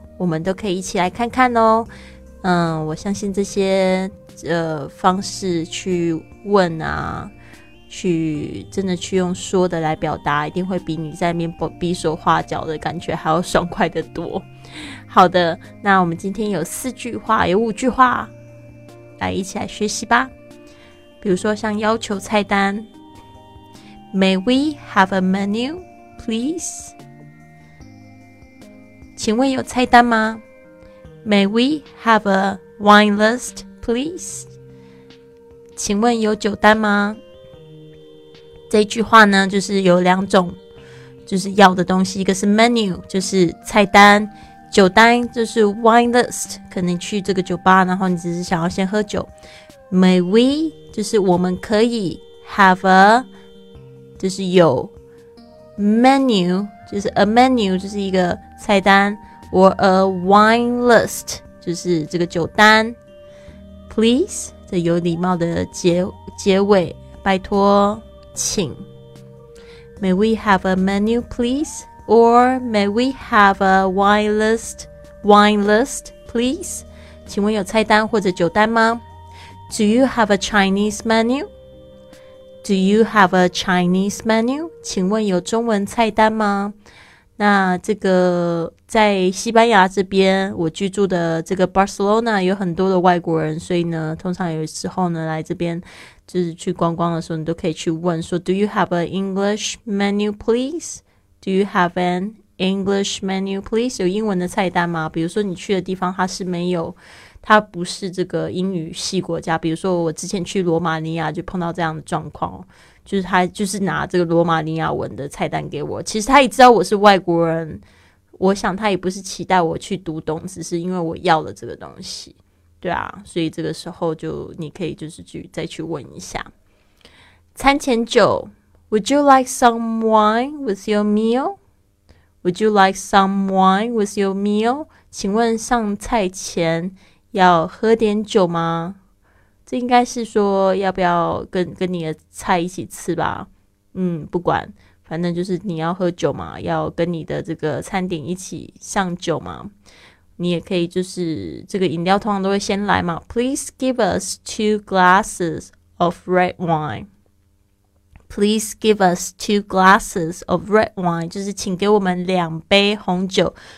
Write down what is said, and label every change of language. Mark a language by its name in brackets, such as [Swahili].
[Chinese] 我们都可以一起来看看哦。我相信这些方式去问啊，去真的去用说的来表达，一定会比你在那边比手画脚的感觉还要爽快的多。好的，那我们今天有四句话，有五句话，来一起来学习吧。比如说像要求菜单 [English] ，May we have a menu, please？ [Chinese] 请问有菜单吗 [English] ？May we have a wine list, please？ [Chinese] 请问有酒单吗？这句话呢，就是有两种，就是要的东西，一个是 menu， 就是菜单；酒单就是 wine list， 可能去这个酒吧，然后你只是想要先喝酒。 [English] May we [Chinese] 就是我们可以 [English] have a [Chinese] 就是有 menu， 就是 [English] a menu [Chinese] 就是一个菜单 ， [English] or a wine list [Chinese] 就是这个酒单。 Please， 这有礼貌的结尾，拜托。 [English] 请 May we have a menu, please? Or may we have a wine list, please? [Chinese] 请问有菜单或者酒单吗？ [English] Do you have a Chinese menu? Do you have a Chinese menu? [Chinese] 请问有中文菜单吗？那这个在西班牙这边，我居住的这个 Barcelona 有很多的外国人，所以呢，通常有时候呢来这边就是去观光的时候，你都可以去问说 ， [English] Do you have an English menu, please? Do you have an English menu, please? [Chinese] 有英文的菜单吗？比如说你去的地方它是没有，它不是这个英语系国家。比如说我之前去罗马尼亚就碰到这样的状况，就是他就是拿这个罗马尼亚文的菜单给我，其实他也知道我是外国人，我想他也不是期待我去读懂，只是因为我要了这个东西，对啊，所以这个时候就你可以就是去再去问一下。餐前酒 [English] ，Would you like some wine with your meal？ Would you like some wine with your meal？ [Chinese] 请问上菜前要喝点酒吗？这应该是说要不要跟你的菜一起吃吧。嗯，不管，反正就是你要喝酒嘛，要跟你的这个餐点一起上酒嘛。你也可以就是这个饮料通常都会先来嘛。 [English] Please give us 2 glasses of red wine. Please give us 2 glasses of red wine. [Chinese] 就是请给我们两杯红酒。